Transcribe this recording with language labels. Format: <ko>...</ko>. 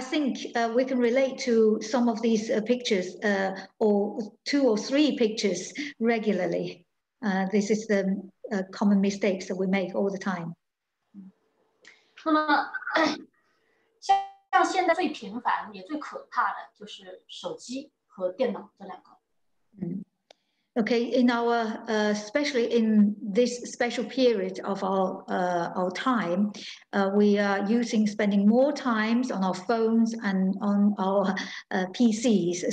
<en>think we can relate to some of these pictures, or 2 or 3 pictures regularly. This is the common mistakes that we make all the time.</en> <zh>那么，像现在最频繁也最可怕的就是手机和电脑这两个。</zh> <en>Okay, in our especially in this special period of our time, we are spending more times on our phones and on our PCs.</en>